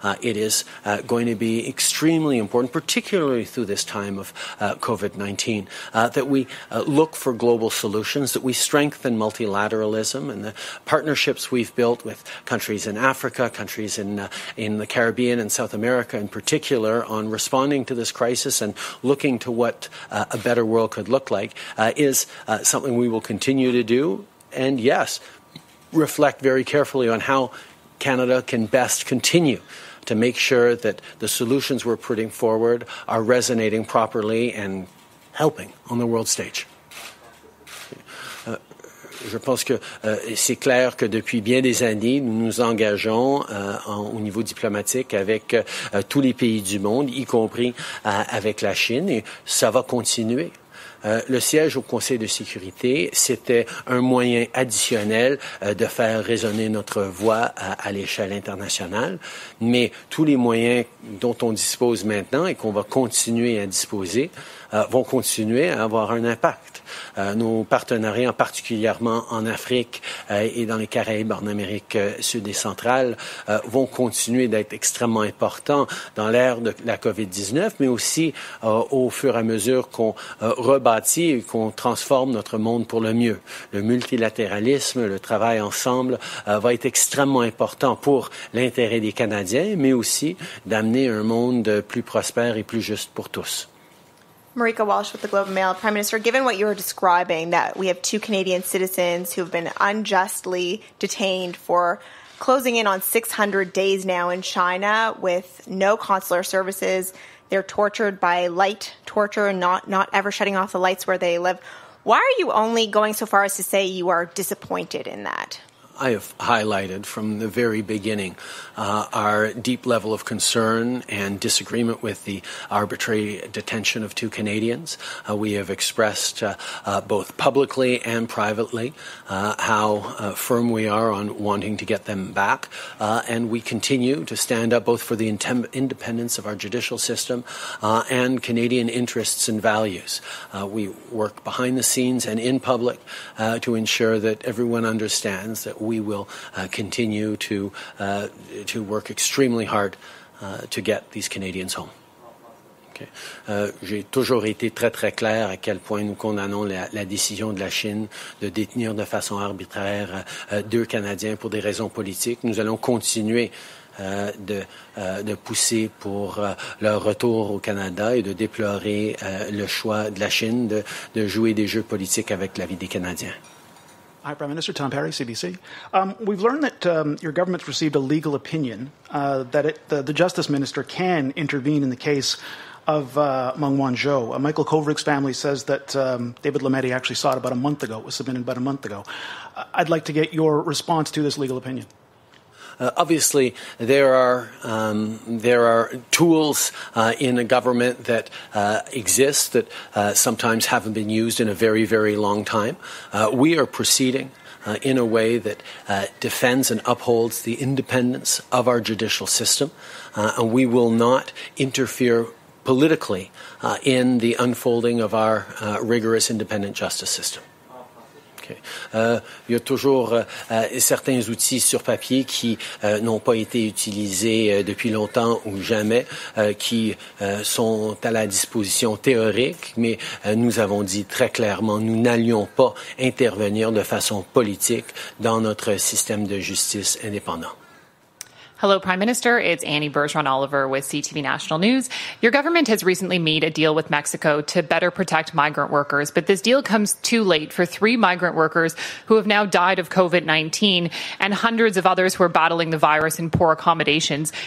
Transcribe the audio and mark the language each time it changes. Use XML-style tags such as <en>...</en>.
<en>It is going to be extremely important, particularly through this time of COVID-19, that we look for global solutions, that we strengthen multilateralism and the partnerships we've built with countries in Africa, countries in the Caribbean and South America in particular, on responding to this crisis and looking to what a better world could look like is something we will continue to do. And yes, reflect very carefully on how Canada can best continue to make sure that the solutions we're putting forward are resonating properly and helping on the world stage.</en> <fr>Je pense que c'est clair que depuis bien des années, nous nous engageons au niveau diplomatique avec tous les pays du monde, y compris avec la Chine, et ça va continuer. Le siège au Conseil de sécurité, c'était un moyen additionnel de faire résonner notre voix à l'échelle internationale. Mais tous les moyens dont on dispose maintenant et qu'on va continuer à disposer vont continuer à avoir un impact. Nos partenariats, particulièrement en Afrique et dans les Caraïbes, en Amérique sud et centrale, vont continuer d'être extrêmement importants dans l'ère de la COVID-19, mais aussi au fur et à mesure qu'on rebâtit et qu'on transforme notre monde pour le mieux. Le multilatéralisme, le travail ensemble va être extrêmement important pour l'intérêt des Canadiens, mais aussi d'amener un monde plus prospère et plus juste pour tous.</fr> <en>Marika Walsh with the Globe and Mail. Prime Minister, given what you were describing, that we have two Canadian citizens who have been unjustly detained for closing in on 600 days now in China with no consular services, they're tortured by light torture, not ever shutting off the lights where they live, why are you only going so far as to say you are disappointed in that? I have highlighted from the very beginning our deep level of concern and disagreement with the arbitrary detention of two Canadians. We have expressed both publicly and privately how firm we are on wanting to get them back. And we continue to stand up both for the independence of our judicial system and Canadian interests and values. We work behind the scenes and in public to ensure that everyone understands that we will continue to work extremely hard to get these Canadians home. Okay.</en> <fr>J'ai toujours été très, très clair à quel point nous condamnons la décision de la Chine de détenir de façon arbitraire deux Canadiens pour des raisons politiques. Nous allons continuer de pousser pour leur retour au Canada et de déplorer le choix de la Chine de jouer des jeux politiques avec la vie des Canadiens.</fr> <en>Hi, Prime Minister. Tom Perry, CBC. We've learned that your government's received a legal opinion that the Justice Minister can intervene in the case of Meng Wanzhou. Michael Kovrig's family says that David Lametti actually saw it about a month ago. It was submitted about a month ago. I'd like to get your response to this legal opinion. Obviously, there are tools in a government that exist that sometimes haven't been used in a very, very long time. We are proceeding in a way that defends and upholds the independence of our judicial system, and we will not interfere politically in the unfolding of our rigorous independent justice system.</en> <fr>Il y a toujours certains outils sur papier qui n'ont pas été utilisés depuis longtemps ou jamais, qui sont à la disposition théorique, mais nous avons dit très clairement, nous n'allions pas intervenir de façon politique dans notre système de justice indépendant.</fr> <en>Hello, Prime Minister. It's Annie Bergeron-Oliver with CTV National News. Your government has recently made a deal with Mexico to better protect migrant workers, but this deal comes too late for three migrant workers who have now died of COVID-19 and hundreds of others who are battling the virus in poor accommodations.</en>